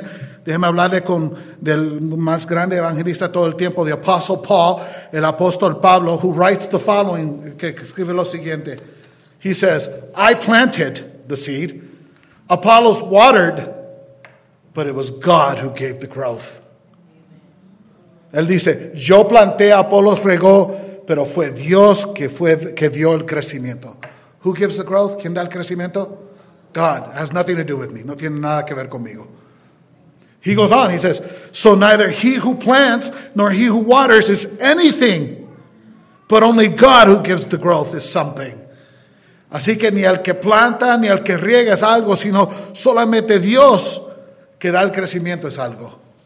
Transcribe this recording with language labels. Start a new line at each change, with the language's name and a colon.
Spanish: Déjeme hablarle con del más grande evangelista todo el tiempo,
English: the Apostle Paul,
Spanish: el Apóstol Pablo,
English: who writes the following,
Spanish: que escribe lo siguiente.
English: He says, I planted the seed, Apollos watered, but it was God who gave the growth.
Spanish: Él dice, yo planté, Apollos regó, pero fue Dios que dio el crecimiento.
English: Who gives the growth?
Spanish: ¿Quién da el crecimiento?
English: God. Has nothing to do with me.
Spanish: No tiene nada que ver conmigo.
English: He goes on. He says, so neither he who plants nor he who waters is anything, but only God who gives the growth is something.
Spanish: Así que ni el que planta ni el que riega es algo, sino solamente Dios que da el crecimiento es algo.